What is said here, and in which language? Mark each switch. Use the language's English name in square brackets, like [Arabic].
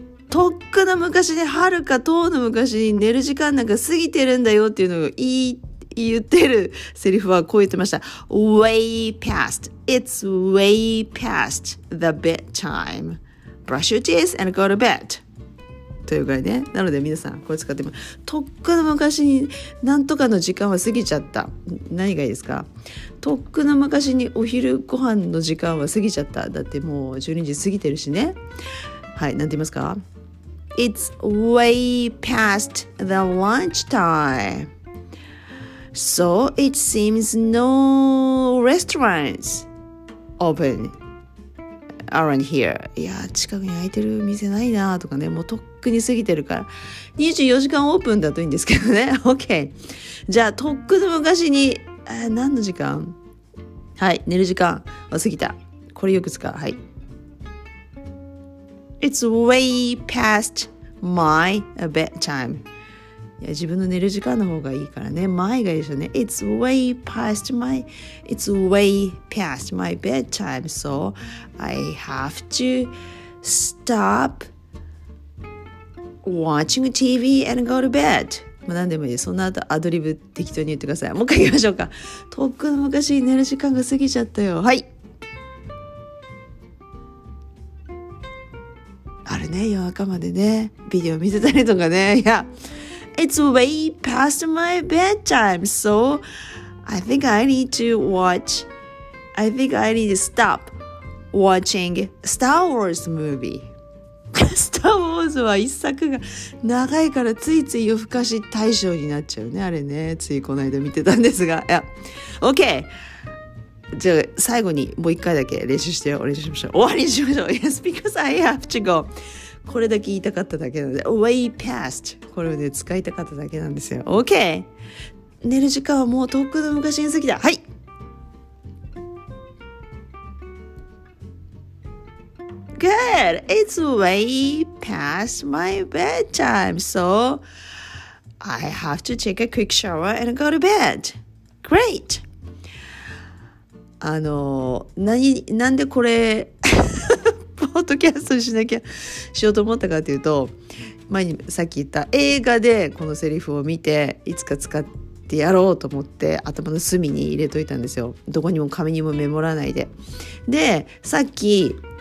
[Japanese] とっくの昔ではるかとうの昔に寝る時間なんか過ぎてるんだよっていうのを言ってるセリフはこう言ってました [English] Way past It's way past the bedtime Brush your teeth and go to bed [Japanese] というぐらいねなので皆さんこれ使ってもとっくの昔になんとかの時間は過ぎちゃった何がいいですかとっくの昔にお昼ご飯の時間は過ぎちゃっただってもう12時過ぎてるしねはいなんて言いますか [English] It's way past the lunch timeSo it seems no restaurants open around here. [Japanese] いや、近くに空いてる店ないなとかね、もうとっくに過ぎてるから。 24時間オープンだといいんですけどね。 [English] OK。 [Japanese] じゃあ、とっくの昔に、何の時間?はい、寝る時間は過ぎた。これよく使う。はい。 [English] It's way past my bedtime. [Japanese] いや自分の寝る時間の方がいいからね。前がいいでしょうね。 [English] It's way past my, it's way past my bedtime, so I have to stop watching TV and go to bed. [Japanese] まあ何でもいい。その後アドリブ適当に言ってください。もう一回言いましょうか。とっくの昔に寝る時間が過ぎちゃったよ。はい。あるね。夜中までね。ビデオ見せたりとかね。いや。 [English] It's way past my bedtime, so I think I need to watch. I think I need to stop watching Star Wars movie. [Japanese] Star Wars は一作が長いからついつい夜更かし対象になっちゃうね。あれね、ついこの間見てたんですが。いや、OK。じゃあ最後にもう一回だけ練習して終わりにしましょう。終わりにしましょう。 [English] Yes, because I have to go. [Japanese] これだけ言いたかっただけなので [English] Way past [Japanese] これをね使いたかっただけなんですよ OK 寝る時間はもう遠くの昔に過ぎたはい [English] Good It's way past my bedtime So I have to take a quick shower and go to bed Great [Japanese] なんでこれポッドキャストしなきゃしようと思ったかというと前にさっき言った映画でこのセリフを見ていつか使ってやろうと思って頭の隅に入れといたんですよどこにも紙にもメモらないででさっき